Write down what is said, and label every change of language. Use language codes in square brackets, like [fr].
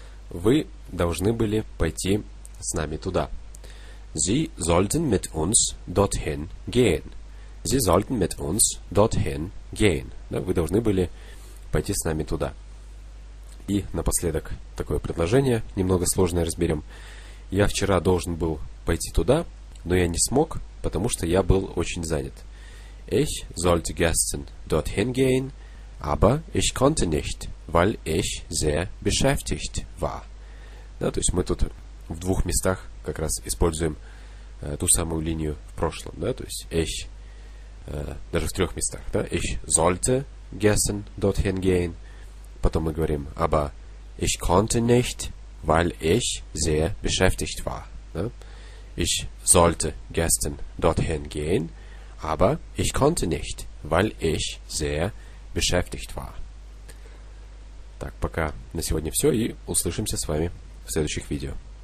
[ru] «Вы должны были пойти с нами туда». [de] «Sie sollten mit uns dorthin gehen». «Sie sollten mit uns dorthin gehen». [ru] Да? «Вы должны были пойти с нами туда». И напоследок такое предложение, немного сложное разберем. Я вчера должен был пойти туда, но я не смог, потому что я был очень занят. [de] Ich sollte gestern dorthin gehen, aber ich konnte nicht, weil ich sehr beschäftigt war. [ru] Да, то есть мы тут в двух местах как раз используем ту самую линию в прошлом, да, то есть ich, даже в трех местах, да, [de] ich sollte gestern dorthin gehen, [ru] потом мы говорим [de] aber ich konnte nicht, weil ich sehr beschäftigt war. [ru] Да? [de] Ich sollte gestern dorthin gehen, aber ich konnte nicht, weil ich sehr beschäftigt war. [ru] Так, пока на сегодня все, и услышимся с вами в следующих видео.